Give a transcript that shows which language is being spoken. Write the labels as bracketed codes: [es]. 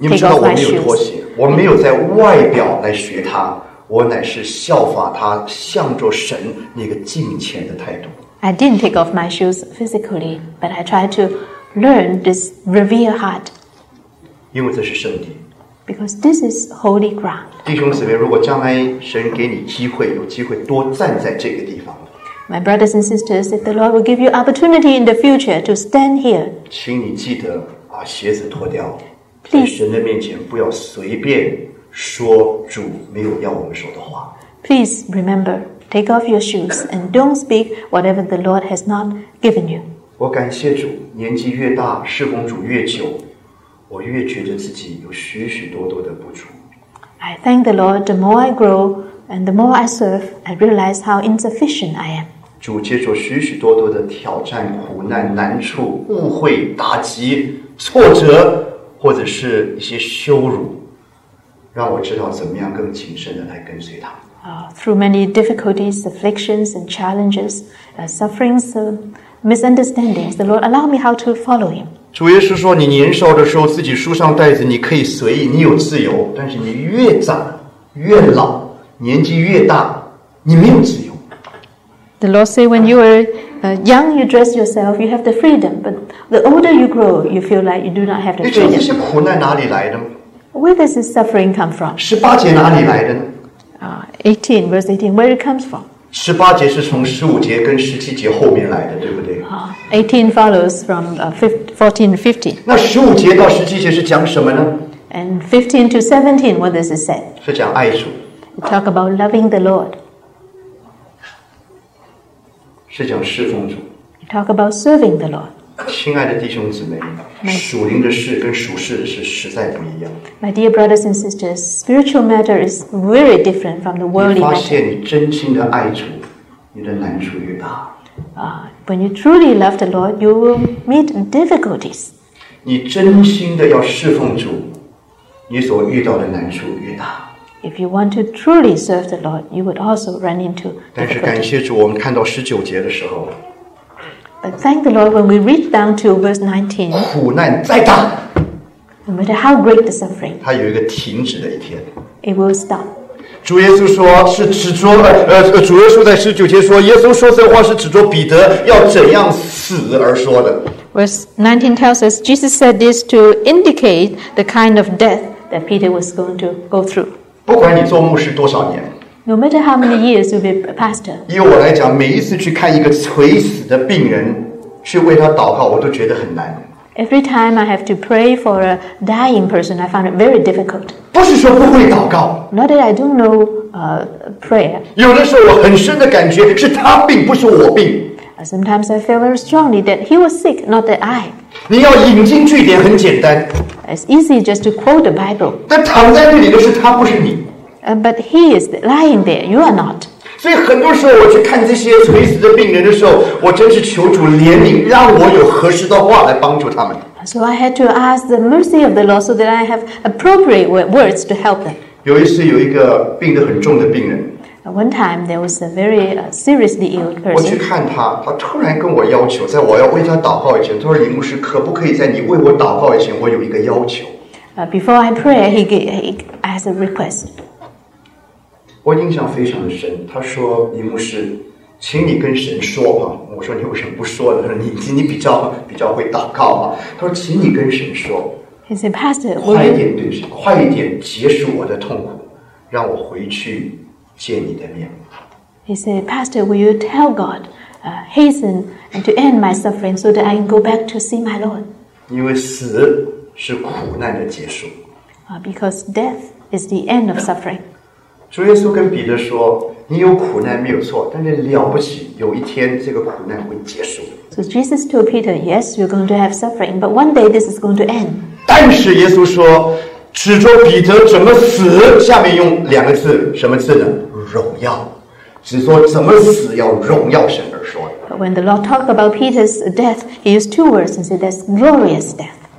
[zh] 你们知道我没有脱鞋, 我没有在外表来学他, 我乃是效法他向着神那个敬虔的态度。 [en] I didn't take off my shoes physically, but I tried to learn this revered heart. [zh] 因为这是圣地。 [en] Because this is holy ground. [zh] 弟兄姊妹, 如果将来神给你机会, 有机会多站在这个地方。 [en] My brothers and sisters, if the Lord will give you opportunity in the future to stand here, [zh] 请你记得把鞋子脱掉, 在神的面前不要随便。 [en] Please remember, take off your shoes and don't speak whatever the Lord has not given you. [zh] 我感谢主, 年纪越大, 侍奉主越久, 我越觉得自己有许许多多的不足。 [en] I thank the Lord, the more I grow and the more I serve, I realize how insufficient I am. [zh] 主接受许许多多的挑战, 苦难, 难处, 误会, 打击, 挫折, 或者是一些羞辱。让我知道怎么样更谨慎的来跟随他。 [en] Through many difficulties, afflictions, and challenges, sufferings, misunderstandings, the Lord allow me how to follow Him. [zh] 主耶稣说：“你年少的时候自己束上带子，你可以随意，你有自由。但是你越长越老，年纪越大，你没有自由。” [en] The Lord say, "When you are young, you dress yourself, you have the freedom. But the older you grow, you feel like you do not have the freedom." [zh] 你知道这些苦难哪里来的吗？ [en] Where does this suffering come from? [zh] 十八节哪里来的呢？ [en] 18, verse 18, where it comes from? [zh] 18节是从15节跟17节后面来的，对不对？ [en] 18 follows from 14 and 15. [zh] 那15节到17节是讲什么呢？ [en] And 15 to 17, what does it say? [zh] 是讲爱主。 [en] It talk about loving the Lord. [zh] 是讲侍奉主。 [en] It talk about serving the Lord. [zh] 亲爱的弟兄姊妹，属灵的事跟属事的事实在不一样。 [en] My dear brothers and sisters, spiritual matter is very different from the worldly matter. [zh] 你发现你真心的爱主，你的难处越大。 [en] When you truly love the Lord, you will meet difficulties. [zh] 你真心的要侍奉主，你所遇到的难处越大。 [en] If you want to truly serve the Lord, you would also run into difficulties. [zh] 但是感谢主，我们看到十九节的时候。 [en] But thank the Lord when we read down to verse 19. [zh] 苦难再大， [en] no matter how great the suffering, [zh] 它有一个停止的一天。 [en] It will stop. [zh] 主耶稣说是指着主耶稣在十九节说，耶稣说这话是指着彼得要怎样死而说的。 [en] Verse 19 tells us Jesus said this to indicate the kind of death that Peter was going to go through. [zh] 不管你做牧师多少年。 [en] No matter how many years you'll be a pastor. [zh] 以我来讲，每一次去看一个垂死的病人，去为他祷告，我都觉得很难。 [en] Every time I have to pray for a dying person, I found it very difficult. [zh] 不是说不会祷告。 [en] Not that I don't know prayer. [zh] 有的时候我很深的感觉是他病，不是我病。 [en] Sometimes I feel very strongly that he was sick, not that I. [zh] 你要引经据典很简单。 [en] It's easy just to quote the Bible. [zh] 但躺在那里的是他，不是你。 [en] But he is lying there. You are not. [zh] 所以很多时候我去看这些垂死的病人的时候，我真是求主怜悯，让我有合适的话来帮助他们。 [en] So I had to ask the mercy of the Lord so that I have appropriate words to help them. [zh] 有一次有一个病得很重的病人。 [en] One time there was a very seriously ill person. [zh] 我去看他，他突然跟我要求，在我要为他祷告以前，他说：“李牧师，可不可以在你为我祷告以前，我有一个要求？” [en] Before I pray, he asked a request. [zh] 我印象非常的深，他说：“李牧师，请你跟神说吧。” 我说：“你为什么不说呢？”他说：“你比较会祷告嘛。” 他说：“请你跟神说。” [en] He said, "Pastor, [zh] 快一点对神，快一点结束我的痛苦，让我回去见你的面。” [en] He said, "Pastor, will you tell God, hasten and to end my suffering so that I can go back to see my Lord?" [zh] 因为死是苦难的结束。 [en] Because death is the end of suffering. [zh] 主耶稣跟彼得说：“你有苦难没有错，但是了不起，有一天这个苦难会结束。” [en] So Jesus told Peter, "Yes, you're going to have suffering, but one day this is going to end." [zh] 但是耶稣说，指着彼得怎么死，下面用两个字，什么字呢？荣耀。只说怎么死要荣耀神而说。 [en] But when the Lord talked about Peter's death, he used two words and said, "That's glorious death."